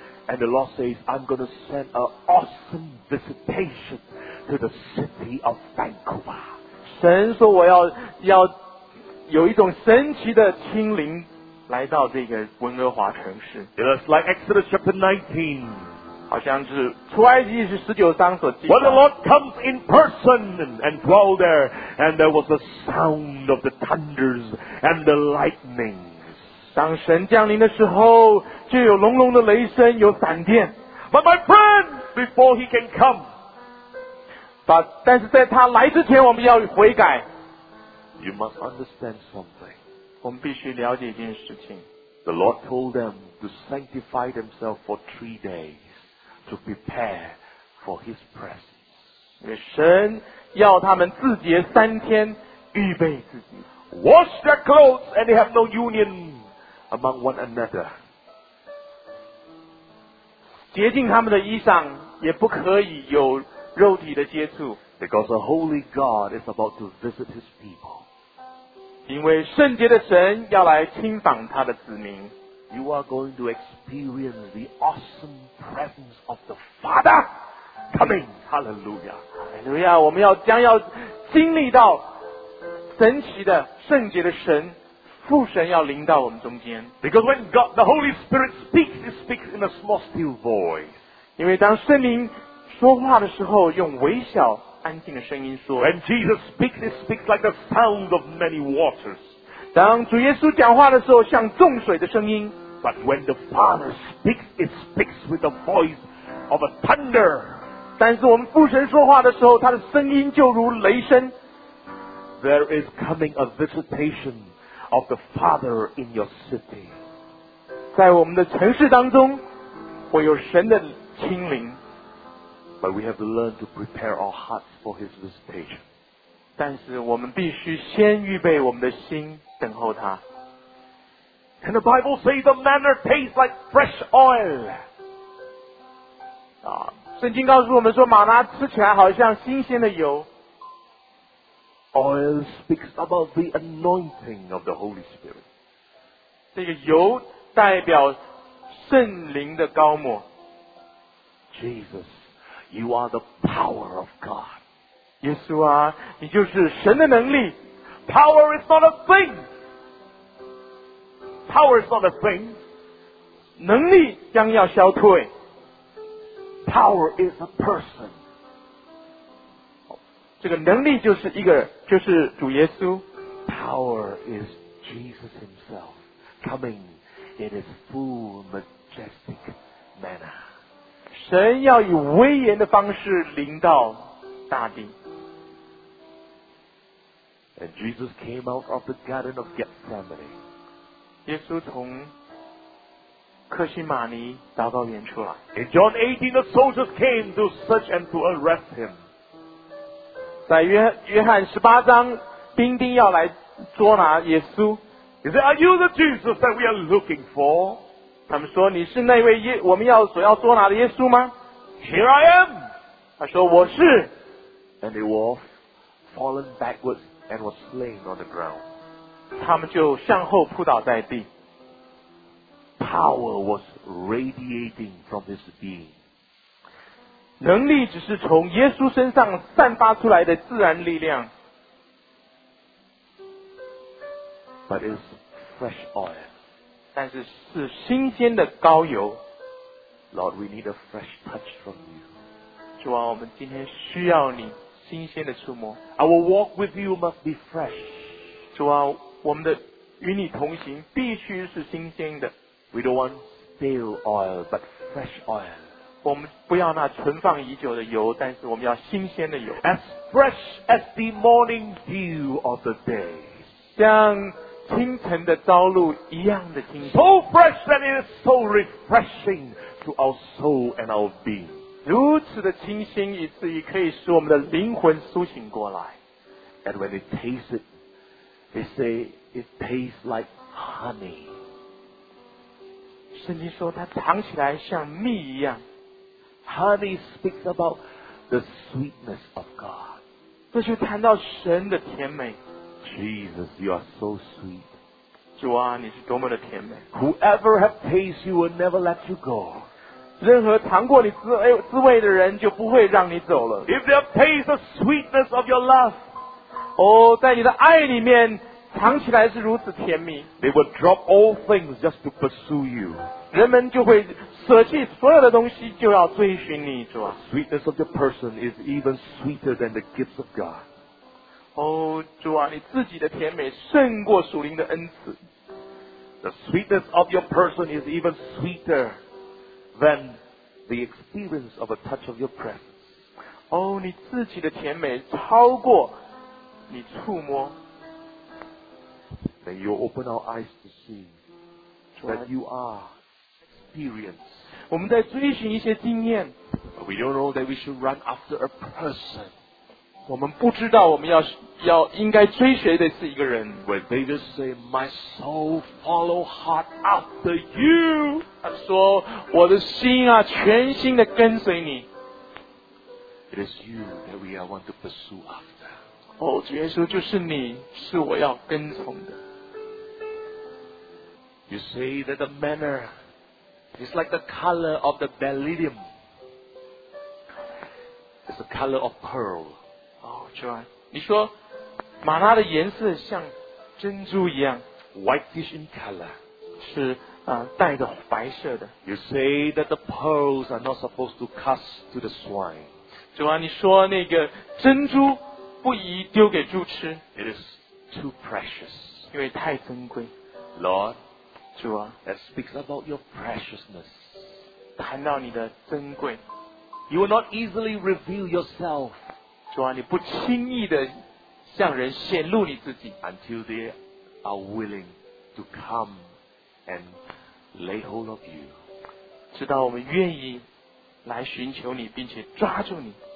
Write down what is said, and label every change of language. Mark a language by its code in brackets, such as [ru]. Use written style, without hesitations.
[en] And the Lord says, I'm going to send an awesome visitation to the city of Vancouver. [zh] 神说我要有一种神奇的亲临来到这个温哥华城市。 [en] It's like Exodus chapter 19. [zh] 好像是出埃及记19章所记载。 [en] When the Lord comes in person and dwell there, and there was the sound of the thunders and the lightning. [zh] 当神降临的时候就有隆隆的雷声有闪电 [en] But my friend before he can come But [zh] 但是在他来之前我们要悔改 [en] You must understand something [zh] 我们必须了解一件事情 [en] The Lord told them to sanctify themselves for 3 days to prepare for his presence [zh] 神要他们自洁3天预备自己 [en] Wash their clothes and they have no union among one another [zh] 洁净他们的衣裳也不可以有肉体的接触 [en] because the holy God is about to visit his people [zh] 因为圣洁的神要来亲访他的子民 [en] you are going to experience the awesome presence of the Father coming hallelujah [zh] hallelujah 我们将要经历到神奇的圣洁的神父神要临到我们中间 [en] Because when God, the Holy Spirit speaks, it speaks in a small still voice. [zh] 因为当圣灵说话的时候用微小安静的声音说 [en] When Jesus speaks, it speaks like the sound of many waters. [zh] 当主耶稣讲话的时候像众水的声音 [en] But when the Father speaks, it speaks with the voice of a thunder. [zh] 但是我们父神说话的时候他的声音就如雷声 [en] There is coming a visitationOf the Father in your city. [zh] 在我们的城市当中会有神的亲临 [en] But we have to learn to prepare our hearts for his visitation. [zh] 但是我们必须先预备我们的心等候他 [en] And the Bible says the manna tastes like fresh oil. [zh] 圣经告诉我们说马拿吃起来好像新鲜的油 [en] Oil speaks about the anointing of the Holy Spirit. [zh] 这个油代表圣灵的膏抹。 [en] Jesus, you are the power of God. [zh] 耶稣啊，你就是神的能力。 [en] Power is not a thing. Power is not a thing. [zh] 能力将要消退。 [en] Power is a person. [zh] 这个能力就是一个就是主耶稣 [en] Power is Jesus himself coming in his full majestic manner [zh] 神要以威严的方式临到大地 [en] And Jesus came out of the Garden of Gethsemane [zh] 耶稣从克西马尼祷告园出来 [en] In John 18 the soldiers came to search and to arrest him [zh] 在约翰十八章，兵丁要来捉拿耶稣。 [en] He said, "Are you the Jesus that we are looking for?" [zh] 他们说：“你是那位我们所要捉拿的耶稣吗 [en] ？”Here I am. [zh] 他说：“我是。 [en] ”And they were fallen backwards and were slain on the ground. [zh] 他们就向后扑倒在地。 [en] Power was radiating from his being. [zh] 能力只是从耶稣身上散发出来的自然力量 [en] But it's fresh oil [zh] 但是是新鲜的膏油 [en] Lord we need a fresh touch from you [zh] 主啊我们今天需要你新鲜的触摸 [en] Our walk with you must be fresh [zh] 主啊我们的与你同行必须是新鲜的 [en] We don't want stale oil but fresh oil [zh] 我们不要那存放已久的油但是我们要新鲜的油 [en] As fresh as the morning dew of the day [zh] 像清晨的朝露一样的清晨 [en] So fresh that it is so refreshing to our soul and our being [zh] 如此的清新以至于可以使我们的灵魂苏醒过来 [en] And when it tastes it They say it tastes like honey. [zh] 圣经说它尝起来像蜜一样。 [en] Honey speaks about the sweetness of God. [zh] 这就谈到神的甜美。 [en] Jesus, you are so sweet. [zh] 主啊，你是多么的甜美。 [en] Whoever have tasted you will never let you go. [zh] 任何尝过你滋味的人就不会让你走了。 [en] If they taste the sweetness of your love, [zh] 在你的爱里面尝起来是如此甜蜜。 [en] They will drop all things just to pursue you. [zh] 人们就会舍弃所有的东西就要追寻你，主啊。 [en] Sweetness of your person is even sweeter than the gifts of God. [zh] 主啊，你自己的甜美胜过属灵的恩赐。 [en] The sweetness of your person is even sweeter. Then the experience of a touch of your presence. [zh] 你自己的甜美超过你触摸。 [en] Then you open our eyes to see that you are experienced. [zh] 我们在追寻一些经验。 [en] But we don't know that we should run after a person. [zh] 我们不知道我们要应该追随的是一个人。 [en] When they just say, my soul follow hard after you. [zh] 他说我的心啊全心的跟随你。 [en] It is you that we are want to pursue after. [zh] 主耶稣就是你是我要跟从的。 [en] You say that the manner is like the color of the beryllium. It's the color of pearl. [zh] 你说玛拉的颜色像珍珠一样 [en] whitish in color [zh] 是带着白色的。 [en] You say that the pearls are not supposed to cast to the swine. [zh] 主啊，你说那个珍珠不宜丢给猪吃。 [en] It is too precious. [zh] 因为太珍贵。 [en] Lord, [zh] 主啊 [en] ，that speaks about your preciousness. [zh] 谈到你的珍贵。 [en] You will not easily reveal yourself. [zh] 主啊，你不轻易的。向人显露你自己 [en] until they are willing to come and lay hold of you [zh] 直到我们愿意来寻求你并且抓住你